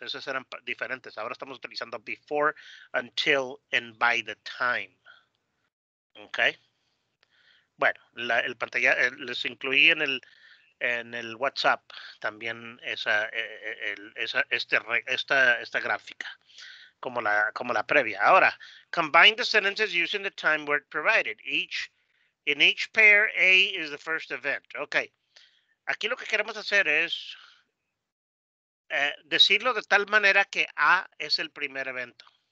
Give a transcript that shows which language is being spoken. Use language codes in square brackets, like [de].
[es] Esas eran diferentes. Ahora estamos utilizando [en] before, until, and by the time. [es] Okay. Bueno, el pantalla les incluí en el WhatsApp también esta gráfica como la previa. [en] Ahora, combine the sentences using the time word provided. In each pair, A is the first event. Okay. [es] Aquí lo que queremos hacer es decirlo de tal manera que A es el primer evento.